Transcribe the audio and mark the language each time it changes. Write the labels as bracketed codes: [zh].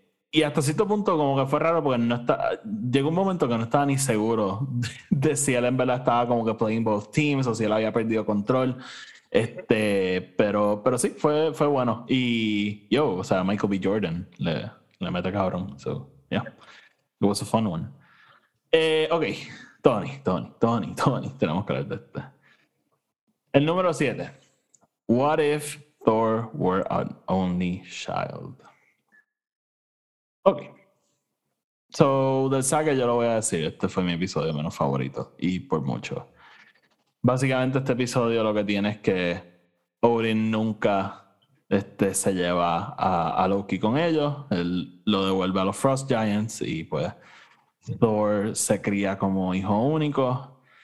[es] Y hasta cierto punto como que fue raro porque no está, llegó un momento que no estaba ni seguro de si él en verdad estaba como que [en] playing both teams [es] o si él había perdido control. Pero sí, fue bueno. Y yo, o sea, Michael B. [en] Jordan [es] le mete cabrón. [en] So, yeah. It was a fun one. Okay. Tony. [es] Tenemos que hablar de este. El número 7. [en] What if Thor were an only child? Ok. [es] So, del saga yo lo voy a decir. Este fue mi episodio menos favorito. Y por mucho. Básicamente este episodio lo que tiene es que Odin nunca se lleva a Loki con ellos. Él lo devuelve a los Frost Giants y pues Thor se cría como hijo único.